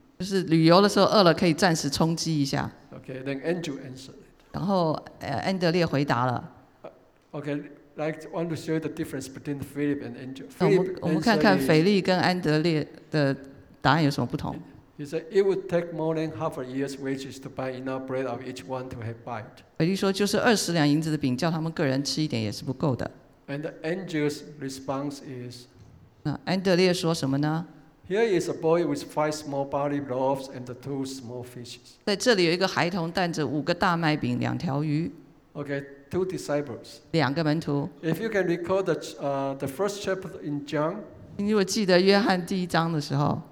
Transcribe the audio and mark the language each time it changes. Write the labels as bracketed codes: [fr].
[zh] 就是旅游的时候饿了，可以暂时充饥一下。 [en] Okay, then Andrew answered. [zh] 然后安德烈回答了。 [en] Okay, like want to show the difference between Philip and Andrew. [zh] 我们看看腓力跟安德烈的答案有什么不同。 [en] He said it would take more than half a year's wages to buy enough bread of each one to have bite. [zh] 腓力说就是20两银子的饼，叫他们个人吃一点也是不够的。 [en] And Andrew's response is. [zh] 安德烈说什么呢 [en] ？Here is a boy with 5 small barley loaves and 2 small fishes. [zh] 在这里有一个孩童担着5个大麦饼2条鱼。 [en] Okay, 2 disciples. [zh] 2个门徒。 [en] If you can recall the first chapter in John, [zh] 你如果记得约翰第一章的时候